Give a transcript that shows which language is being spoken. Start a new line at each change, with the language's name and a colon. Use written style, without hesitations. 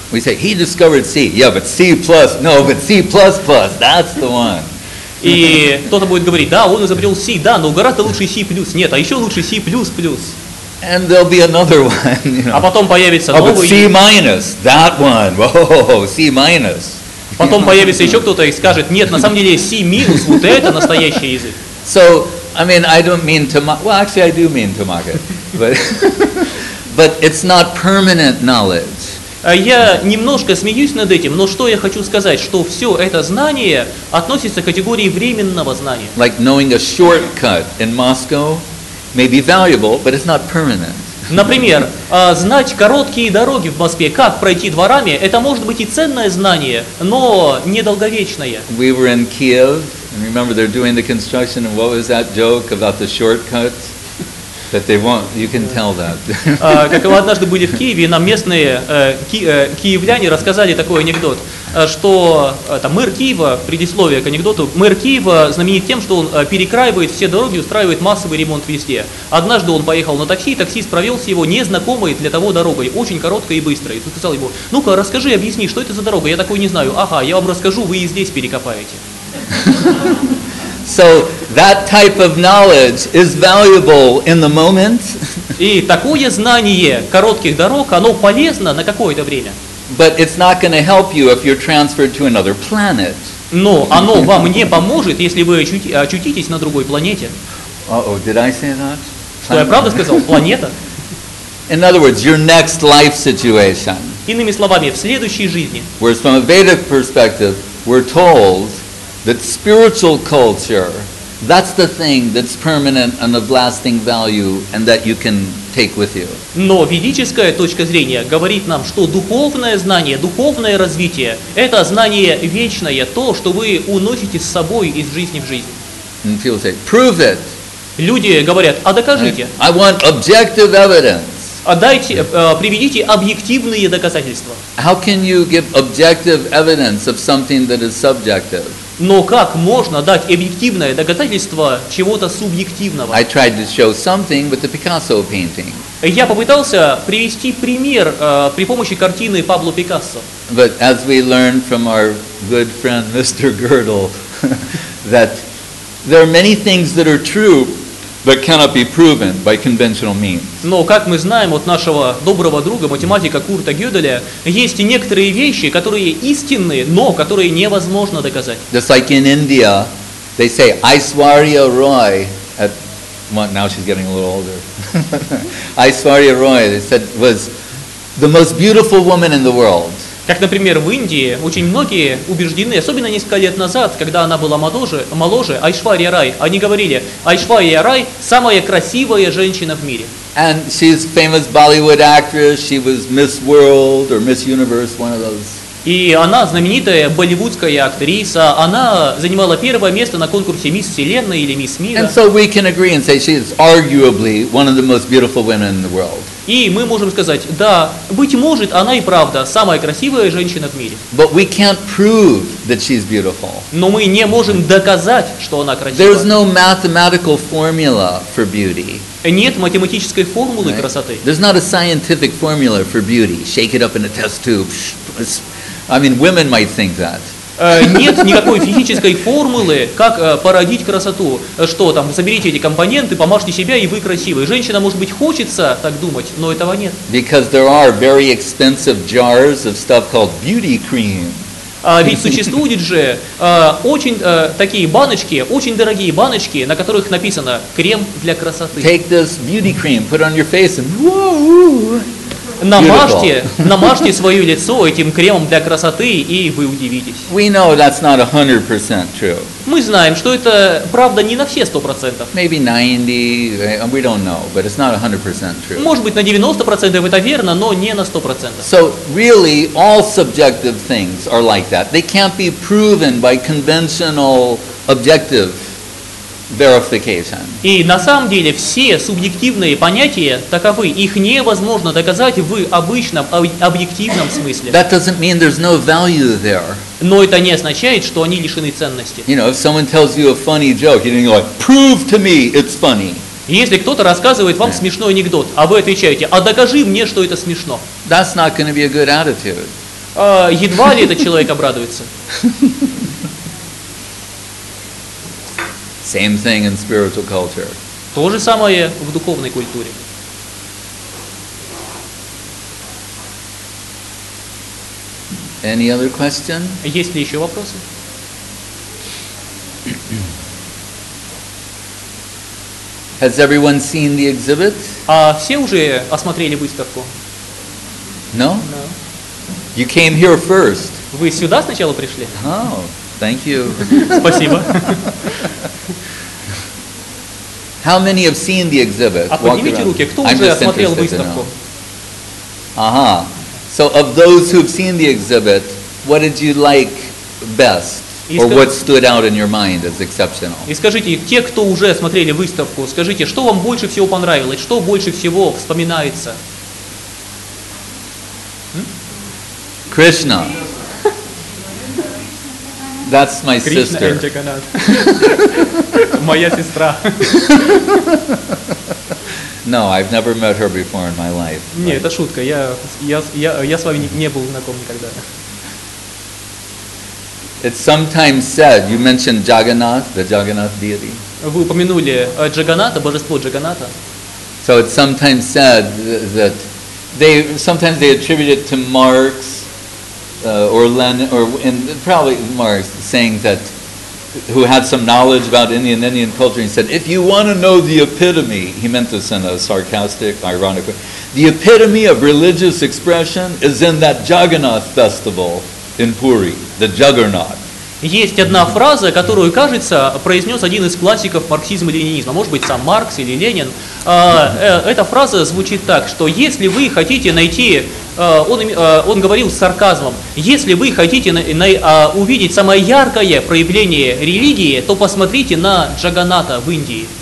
English: We say, he discovered C. Yeah, but C++, no, but C++, that's the one.
Russian: И кто-то будет говорить, да, он изобрел C, да, но гораздо лучше C++, нет, а еще лучше C++.
English: And there'll be another one, you know.
Russian: А потом появится новый.
English: Oh, but C-, that one, whoa, C-.
Russian: Потом появится еще кто-то и скажет, нет, на самом деле C- вот это настоящий язык.
English: So, I mean, I don't mean to mock, well, actually, I do mean to mock it, but it's not permanent knowledge.
Russian: Я немножко смеюсь над этим, но что я хочу сказать, что все это знание относится к категории временного знания.
English: Like knowing a shortcut in Moscow may be valuable, but it's not permanent.
Russian: Например, знать короткие дороги в Москве, как пройти дворами, это может быть и ценное знание, но недолговечное.
English: We were in Kiev, and remember they're doing the construction, and what was that joke about the shortcut? That they won't, you can tell that.
Russian: Как мы однажды были в Киеве, нам местные киевляне рассказали такой анекдот, что там мэр Киева, предисловие к анекдоту, мэр Киева знаменит тем, что он перекраивает все дороги, устраивает массовый ремонт везде. Однажды он поехал на такси, таксист провел с его незнакомой для того дорогой, очень короткой и быстрой. И сказал ему, ну-ка, расскажи, объясни, что это за дорога, я такой не знаю. Ага, я вам расскажу, вы и здесь перекопаете.
English: So that type of knowledge is valuable in the moment.
Russian: И такое знание коротких дорог, оно полезно на какое-то время.
English: But it's not going to help you if you're transferred to another planet.
Russian: Но оно вам не поможет, если вы очутитесь на другой планете.
English: Uh-oh, did I say that?
Russian: Что я правда сказал? Планета.
English: In other words, your next life situation.
Russian: Иными словами, в следующей жизни.
English: Whereas from a Vedic perspective, we're told that spiritual culture, that's the thing that's permanent and of lasting value and that you can take with you.
Russian: Но ведическая точка зрения говорит нам, что духовное знание, духовное развитие – это знание вечное, то, что вы уносите с собой из жизни в жизнь.
English: And people say, prove it.
Russian: Люди говорят, а докажите.
English: I want objective evidence.
Russian: Отдайте, приведите объективные доказательства.
English: How can you give objective evidence of something that is subjective?
Russian: Но как можно дать объективное доказательство чего-то субъективного?
English: I tried to show something with the Picasso painting.
Russian: Я попытался привести пример при помощи картины Пабло Пикассо.
English: But as we learned from our good friend Mr. Girdle, that there are many things that are true that cannot be proven by conventional means.
Russian: Но как мы знаем от нашего доброго друга математика Курта Гёделя, есть некоторые вещи, которые истинны, но которые невозможно доказать.
English: Just like in India, they say Aishwarya Roy. At, well, now she's getting a little older. Aishwarya Roy, they said, was the most beautiful woman in the world.
Russian: Как, например, в Индии очень многие убеждены, особенно несколько лет назад, когда она была моложе, Айшвария Рай, они говорили, Айшвария Рай – самая красивая женщина в мире.
English: And she's famous Bollywood actress, she was Miss World or Miss Universe, one of those.
Russian: И она знаменитая болливудская актриса, она занимала первое место на конкурсе Мисс Вселенной или Мисс Мира.
English: And so we can agree and say she's arguably one of the most beautiful women in the world.
Russian: И мы можем сказать, да, быть может, она и правда самая красивая женщина в мире.
English: But we can't prove that she's beautiful.
Russian: Но мы не можем доказать, что она красива.
English: There's no mathematical formula for beauty.
Russian: Нет математической формулы
English: right?
Russian: красоты.
English: There's not a scientific formula for beauty. Shake it up in a test tube. I mean, women might think that.
Russian: Нет никакой физической формулы, как породить красоту. Что там, соберите эти компоненты, помажьте себя, и вы красивы. Женщина, может быть, хочется так думать, но этого нет.
English: Because there are very expensive jars of stuff called beauty cream.
Russian: Ведь существуют же такие баночки, очень дорогие баночки, на которых написано «крем для красоты».
English: Take this beauty cream, put on your face and whoa!
Russian: Намажьте свое лицо этим кремом для красоты, и вы удивитесь.
English: We know that's not 100% true.
Russian: Мы знаем, что это правда не на все 100%.
English: Maybe 90, we don't know, but it's not 100% true.
Russian: Может быть, на 90% это верно, но не на 100%.
English: So really, all subjective things are like that. They can't be proven by conventional objective verification.
Russian: И на самом деле все субъективные понятия таковы, их невозможно доказать в обычном объективном смысле.
English: That doesn't mean there's no value there.
Russian: Но это не означает, что они лишены ценности.
English: You know, if someone tells you a funny joke, you don't go like, prove to me it's funny.
Russian: Если кто-то рассказывает вам смешной анекдот, а вы отвечаете, а докажи мне, что это смешно.
English: That's not going to be a good attitude.
Russian: Едва ли этот человек обрадуется.
English: Same thing in spiritual culture.
Russian: То же самое в духовной культуре.
English: Any other question?
Russian: Есть ли еще вопросы?
English: Has everyone seen the exhibit?
Russian: А все уже осмотрели выставку?
English: No? No. You came here first.
Russian: Вы сюда сначала пришли?
English: Oh, thank you.
Russian: Спасибо.
English: How many have seen the exhibit?
Russian: А поднимите руки, кто уже осмотрел выставку? Ага.
English: So of those who've seen the exhibit, what did you like best, or what stood out in your mind as exceptional?
Russian: И скажите, те, кто уже смотрели выставку, скажите, что вам больше всего понравилось, что больше всего вспоминается? Кришна.
English: That's my Krishna sister.
Russian: Моя сестра.
English: No, I've never met her before in my life.
Russian: Не, это шутка. Я с вами не был знаком никогда.
English: It's sometimes said, you mentioned Jagannath, the Jagannath deity.
Russian: Вы упомянули Джаганата, божество Джаганата.
English: So it's sometimes said that they attribute it to Marx or Lenin, or and probably Marx saying that, who had some knowledge about Indian culture, and he said, if you want to know the epitome, he meant this in a sarcastic, ironic way, the epitome of religious expression is in that Jagannath festival in Puri, the Juggernaut.
Russian: Есть одна фраза, которую, кажется, произнес один из классиков марксизма и ленинизма, может быть, сам Маркс или Ленин. Эта фраза звучит так, что если вы хотите найти, он говорил с сарказмом, если вы хотите увидеть самое яркое проявление религии, то посмотрите на Джаганата в Индии.